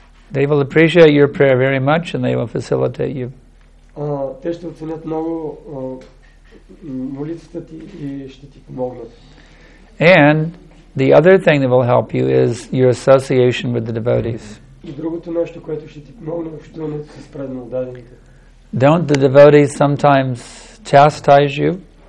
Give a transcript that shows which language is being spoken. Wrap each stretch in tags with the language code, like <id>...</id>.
<en>They will appreciate your prayer very much and they will facilitate you.</en> <bg>Те ще оценят много молитвата ти и ще ти помогнат.</bg> <en>And the other thing that will help you is your association with the devotees. Don't the devotees sometimes chastise you?</en>